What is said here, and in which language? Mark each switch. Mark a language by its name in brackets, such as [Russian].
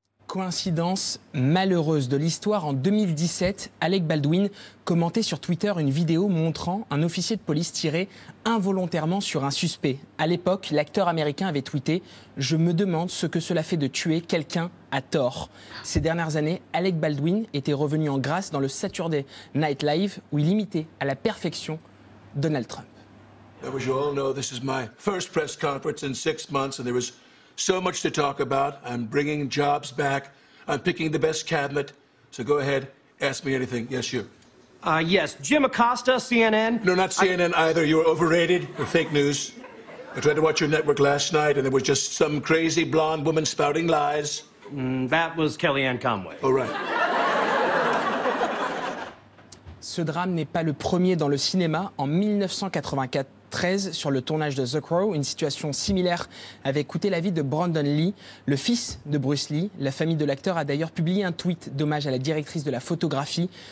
[French] Coïncidence malheureuse de l'histoire, en 2017, Alec Baldwin commentait sur Twitter une vidéo montrant un officier de police tirer involontairement sur un suspect. À l'époque, l'acteur américain avait tweeté « Je me demande ce que cela fait de tuer quelqu'un à tort ». Ces dernières années, Alec Baldwin était revenu en grâce dans le Saturday Night Live où il imitait à la perfection Donald Trump. [English] As you all know, this is my first press conference in 6 months and there was so much to talk about. I'm bringing jobs back. I'm picking the best cabinet. So go ahead, ask me anything. Yes, you. Yes, Jim Acosta, CNN. No, not CNN either. You're overrated. You're fake news. I tried to watch your network last night, and there was just some crazy blonde woman spouting lies. That was Kellyanne Conway. All right. [French] Ce drame n'est pas le premier dans le cinéma. En 1984. 13, sur le tournage de The Crow, une situation similaire avait coûté la vie de Brandon Lee, le fils de Bruce Lee. La famille de l'acteur a d'ailleurs publié un tweet d'hommage à la directrice de la photographie.